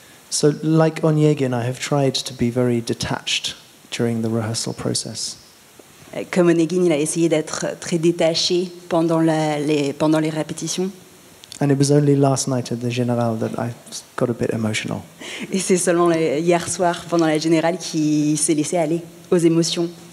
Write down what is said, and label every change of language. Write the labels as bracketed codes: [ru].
[en] So, like Onegin, I have tried to be very detached during the rehearsal process. [fr] Comme Onegin, il a essayé d'être très détaché pendant les répétitions. [en] And it was only last night at the Générale that I got a bit emotional. [fr] Et c'est seulement hier soir pendant la Générale qu'il s'est laissé aller aux émotions.